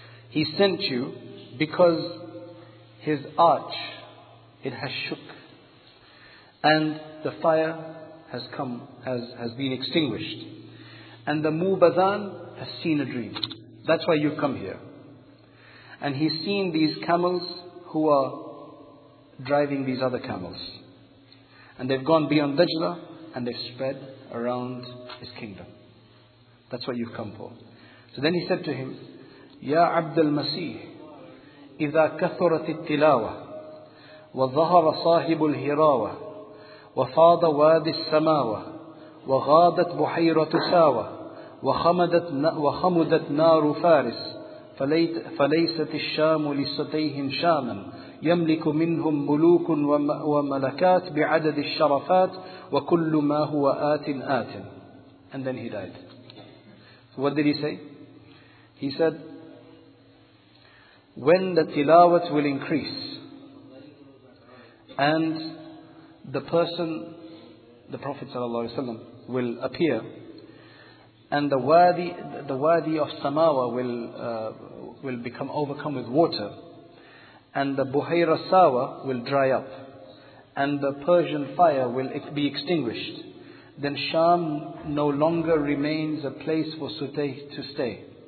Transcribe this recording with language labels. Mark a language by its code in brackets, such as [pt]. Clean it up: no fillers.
[en] He sent you because his arch, it has shook, and the fire has come, has been extinguished, and the Mubazan has seen a dream. That's why you've come here. And he's seen these camels who are driving these other camels, and they've gone beyond Dajla and they've spread around his kingdom. That's what you've come for. So then he said to him, [ar] "Ya Abdul Masih, إِذَا كَثُرَتِ التِّلَاوَةِ وَظَهَرَ صَاحِبُ الْهِرَاوَةِ وَفَاضَ وَادِ السَّمَاوَةِ وَغَادَتْ بُحَيْرَةُ سَاوَةِ وَخَمُدَتْ نَارُ فَارِسِ فَلَيْسَتِ الشَّامُ لِسَتَيْهِمْ شَامًا يَمْلِكُ مِنْهُمْ مُلُوكٌ وَمَلَكَاتْ بِعَدَدِ الشَّرَفَاتِ وَكُلُّ مَا هُوَ آتٍ آتٍ." [en] And then he died. What did he say? He said, "When the tilawat will increase and the person, the Prophet ﷺ, will appear, and the wadi of Samawa will become overcome with water, and the Buhayra Sawa will dry up, and the Persian fire will be extinguished, then Sham no longer remains a place for Sutay to stay.